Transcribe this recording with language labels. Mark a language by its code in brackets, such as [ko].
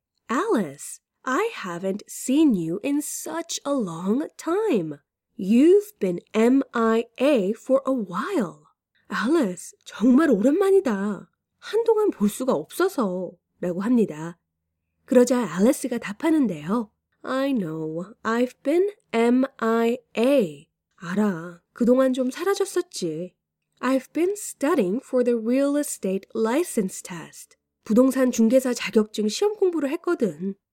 [en] Alice, I haven't seen you in such a long time. You've been MIA for a while. [ko] Alice, 정말 오랜만이다. 한동안 볼 수가 없어서 라고 합니다. 그러자 Alice가 답하는데요. [en] I know, I've been MIA. [ko] 알아, 그동안 좀 사라졌었지. [en] I've been studying for the real estate license test. [ko] 부동산 중개사 자격증 시험 공부를 했거든.